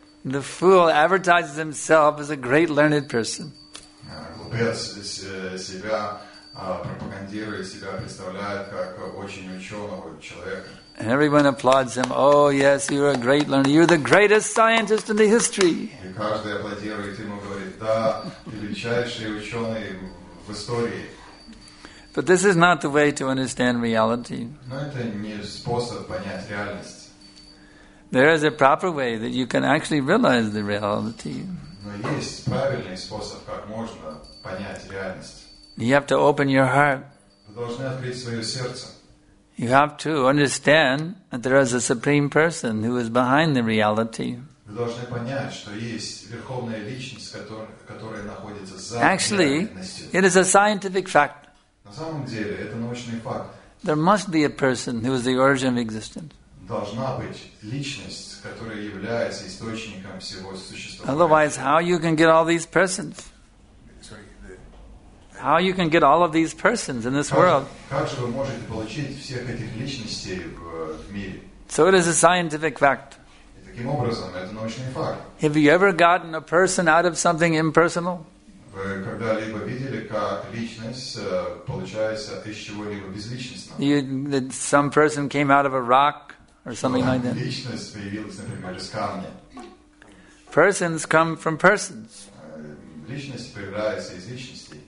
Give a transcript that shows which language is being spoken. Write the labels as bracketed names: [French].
[English] The fool advertises himself as a great learned person. [Russian] Глупец себя. Пропагандирует себя, представляет как очень ученого человека. [English] And everyone applauds him. Oh yes, you're a great learner. You're the greatest scientist in the history. [Russian] И каждый аплодирует ему, говорит, да, величайший ученый в истории. [English] But this is not the way to understand reality. [Russian] Но это не способ понять реальность. [English] There is a proper way that you can actually realize the reality. [Russian] Но есть правильный способ, как можно понять реальность. [English] You have to open your heart. [Russian] Вы должны открыть свое сердце. [English] You have to understand that there is a supreme person who is behind the reality. [Russian] Вы должны понять, что есть верховная личность, которая находится за реальностью. [English] Actually, it is a scientific fact. [Russian] На самом деле, это научный факт. [English] There must be a person who is the origin of existence. [Russian] должна быть личность, которая является источником всего существования. [English] Otherwise, how you can get all these persons? How you can get all of these persons in this world? [Russian] Как же вы можете получить всех этих личностей в мире? [English] So it is a scientific fact. [Russian] Таким образом, это научный факт. [English] Have you ever gotten a person out of something impersonal? [Russian] Вы когда-либо видели, как личность получается из чего-либо безличностного? [English] Some person came out of a rock or something like that. [Russian] Личность появилась, например, из камня. [English] Persons come from persons. [Russian] Личность появляется из личности.